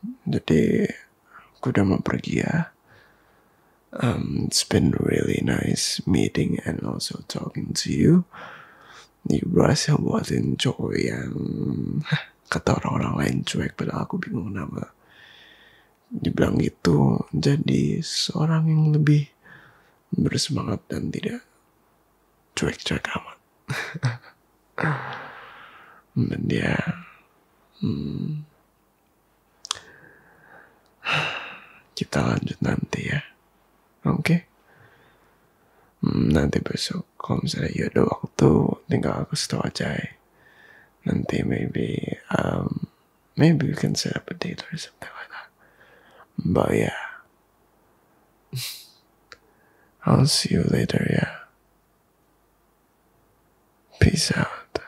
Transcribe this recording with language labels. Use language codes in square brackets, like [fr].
[id] Jadi aku udah mau pergi ya. [en] It's been really nice meeting and also talking to you. [id] You rasa buat enjoy yang kata orang-orang lain cuek, padahal aku bingung kenapa dibilang gitu, jadi seorang yang lebih bersemangat dan tidak cuek-cuek amat. Dan dia kita lanjut nanti ya. Oke. Nanti besok kalau misalnya you ada waktu, tinggal aku setau aja. [en] Nanti maybe we can set up a date or something. But yeah, I'll see you later, yeah. Peace out.